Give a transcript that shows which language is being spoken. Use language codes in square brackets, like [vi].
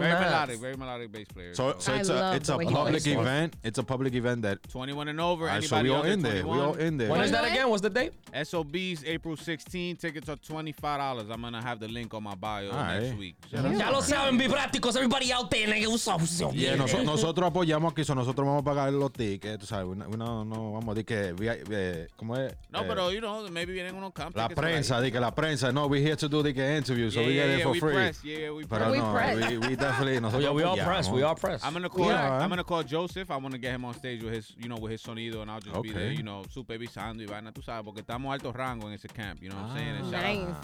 [en] Nice. Very melodic bass player. So it's a public event. It's a public event that 21 and over. Right, anybody so we all in 21? There. We all in there. When is that again? What's the date? SOBs, April 16th. Tickets are $25. I'm going to have the link on my bio next week. [es] Ya lo saben, vibráticos. [en] Everybody out there, nigga. What's up? [es] Yeah, nosotros apoyamos aquí. Nosotros vamos a pagar los tickets. Tú sabes, no vamos. Pero [en] you know, maybe [es] vienen unos camps. La prensa, di que la prensa. [en] No, we're here to do the interview, so we get it for free. We definitely are pressed. I'm gonna call Joseph. I want to get him on stage with his, you know, with his sonido, and I'll just be there, you know, [es] super bisando y vaina, tú sabes, porque estamos alto rango en ese camp, [en] you know what I'm saying?